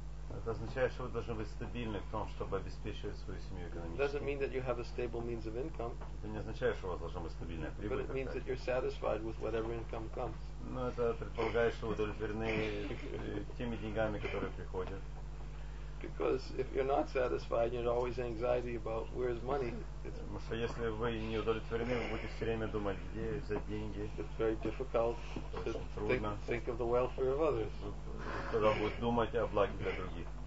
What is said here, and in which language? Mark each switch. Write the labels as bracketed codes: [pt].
[ru] Это означает, что вы должны быть стабильны в том, чтобы обеспечивать свою семью экономически. [en] Doesn't mean that you have a stable means of income. [ru] Это не означает, что у вас должна быть стабильная прибыль. [en] But it means that you're satisfied with whatever income comes. [ru] Но это предполагает, что вы удовлетворены теми деньгами, которые приходят. [en] Because if you're not satisfied, you're always anxiety about where's money. [ru] Потому что если вы не удовлетворены, вы будете все время думать, где взять деньги. [en] It's very difficult to think of the welfare of others. [ru] Тогда будет думать о благе для других.